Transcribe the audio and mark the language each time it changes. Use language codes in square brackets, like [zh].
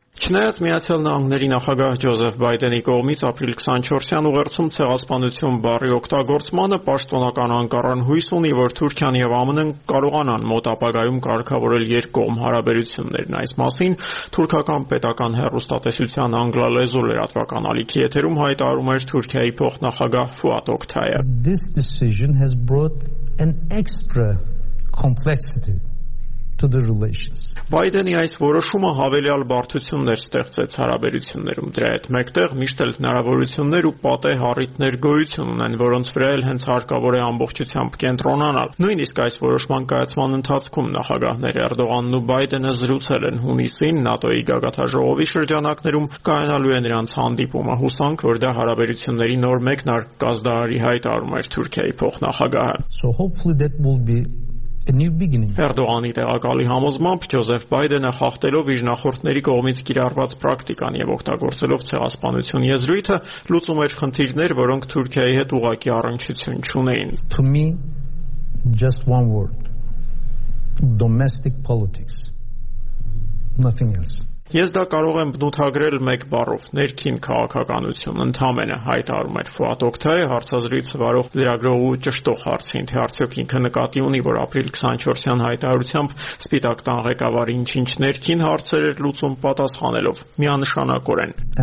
[hy] Չնայած Միացյալ Նահանգների նախագահ Ջոզեֆ Բայդենի կողմից ապրիլ 24-ին ուղերձում ցեղասպանություն բառի օգտագործմանը պաշտոնական Անկարան հույս ունի, որ Թուրքիան և ԱՄՆ-ն կարողանան մոտ ապագայում կարգավորել երկկողմ հարաբերություններն։ Այս մասին Թուրքական պետական հեռուստատեսության անգլալեզու լրատվական ալիքի եթերում հայտարարում էր Թուրքիայի փոխնախագահ Ֆուատ Օքթայը։ [en] This decision has brought an extra complexity to the relations. [hy] Բայդենի այս որոշումը հավելյալ բարդություններ ստեղծեց հարաբերություններում։ Դրա հետ մեկտեղ միշտ էլ հնարավորություններ ու պատե հարիթներ գոյություն ունեն, որոնց վրա էլ հենց հարկավոր է ամբողջությամբ կենտրոնանալ։ Նույնիսկ այս որոշման կայացման ընթացքում նախագահներ Էրդողանն ու Բայդենը զրուցել են հունիսին ՆԱՏՕ-ի գագաթաժողովի շրջանակներում կայանալու է նրանց հանդիպումը։ Հուսանք, որ դա հարաբերությունների նոր մեկնարկ կազդարարի հայտարարում էր Թուրքիայի փոխնախագահը։ [en] So hopefully that will be a new beginning. [hy] Էրդողանի տեղակալի համոզմամբ Ջոզեֆ Բայդենը, խախտելով իր նախորդների կողմից կիրառված պրակտիկան և օգտագործելով ցեղասպանություն եզրույթը, լուծում էր խնդիրներ, որոնք Թուրքիայի հետ ուղղակի առնչություն չունեին։ [en] To me, just one word. Domestic politics. Nothing else. [hy] Ես դա կարող եմ բնութագրել մեկ բառով՝ ներքին քաղաքականություն, ընդամենը, հայտարում էր Ֆուադ Օգթայը հարցազրույցը վարող լրագրողու ճշտող հարցին, թե արդյոք ինքը նկատի ունի, որ ապրիլ 24-յան հայտարարությամբ Սպիտակ տան ղեկավարը ինչ-ինչ ներքին հարցեր էր լուծում, պատասխանելով միանշանակորեն.